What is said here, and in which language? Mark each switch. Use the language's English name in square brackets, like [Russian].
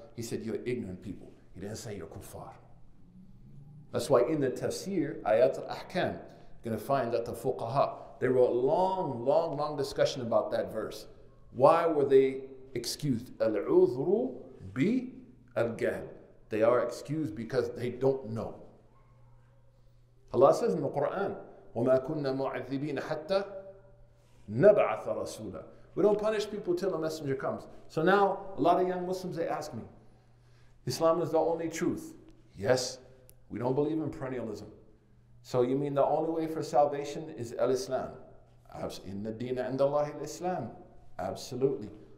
[English] He said, you're ignorant people. He didn't say you're kufar. That's why in the tafsir, ayat al-ahkam, you're going to find that the fuqaha, they wrote long discussion about that verse. Why were they excused? Al-Uzru bi al-Gahl. They are excused because they don't know. Allah says in the Quran, [Arabic] وَمَا كُنَّ مُعَذِّبِينَ حَتَّى نَبْعَثَ رَسُولًا. [English] We don't punish people till a messenger comes. So now, a lot of young Muslims, they ask me, Islam is the only truth. Yes, we don't believe in perennialism. So you mean the only way for salvation is al-Islam? [Arabic] إِنَّ الدِّينَ عِنْدَ اللَّهِ الْإِسْلَامِ. [English] Absolutely.